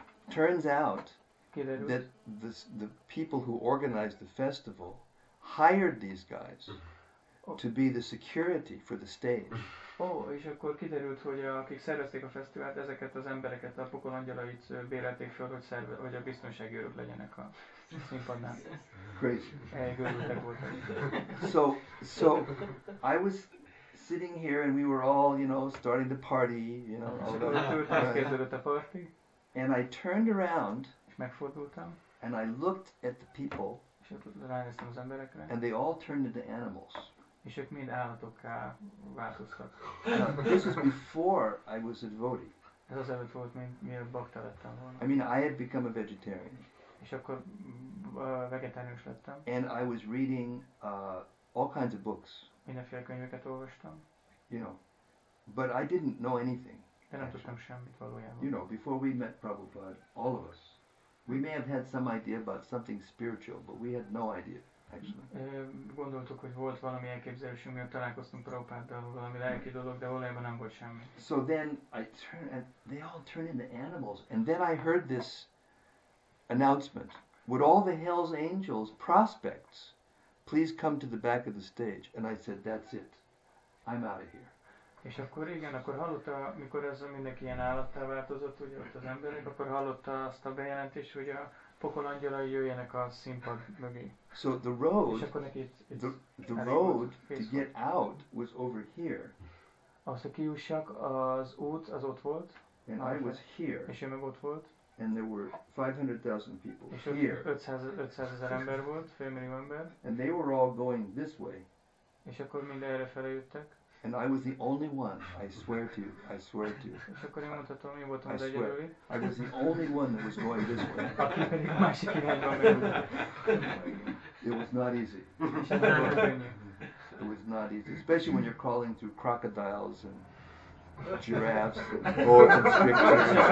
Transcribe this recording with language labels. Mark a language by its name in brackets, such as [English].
[English] Turns out that the people who organized the festival hired these guys to be the security for the stage. [Hungarian] Oh, és akkor kiderült, hogy akik szervezték a fesztivált, ezeket az embereket, a pokol angyalait bérelték fel, hogy a biztonsági őrök legyenek a színpadnál. [English] Crazy. [Hungarian] Elgörültek voltak. [English] So, I was sitting here and we were all, you know, starting the party, you know. [Hungarian] Kezdődött a party. [English] And I turned around. [Hungarian] És megfordultam. [English] And I looked at the people. [Hungarian] És ránéztem az emberekre. [English] And they all turned into animals. [Hungarian] És ők mind állatokká változtak. [English] This was before I was a devotee. [Hungarian] Ez az előtt volt, mielőtt bakta lettem volna. [English] I mean, I had become a vegetarian. [Hungarian] És akkor vegetáriánus lettem. [English] And I was reading all kinds of books. [Hungarian] Mindenféle könyveket olvastam. [English] You know, but I didn't know anything. [Hungarian] De nem tudtam semmit valójában. [English] You know, before we met Prabhupada, all of us, we may have had some idea about something spiritual, but we had no idea. [Hungarian] Gondoltuk, hogy volt valami elképzelésünk, miatt találkoztunk Prabhupáddal, valami lelki dolog, de valójában nem volt semmi. [English] So then I turn, and they all turn into animals, and then I heard this announcement: "Would all the Hell's Angels prospects please come to the back of the stage?" And I said, "That's it, I'm out of here." [Hungarian] És akkor igen, akkor hallotta, mikor ez mindenki ilyen állattá változott, ugye ott az emberek, akkor hallotta azt a bejelentést, hogy a pokol angyalai jöjjenek a színpad mögé. [English] So the road, [Hungarian] és akkor neki [English] the road to get out was over here. [Hungarian] Ahhoz, hogy kijussak, az út az ott volt. [English] And I was here. [Hungarian] És én meg ott volt. [English] And there were 500,000 people [Hungarian] és [English] here. [Hungarian] 500 000 ember volt, fél millió ember. [English] And they were all going this way. [Hungarian] És akkor mind erre fele jöttek. [English] And I was the only one, I swear to you, I swear to you. [Hungarian] És akkor én mondhatom, én voltam az egyedüli. [English] I was the only one that was going this way. [Hungarian] Aki pedig másik irányba ment. [English] It was not easy. [Hungarian] És nem volt könnyű. [English] It was not easy, especially when you're crawling through crocodiles and giraffes and boa constrictors.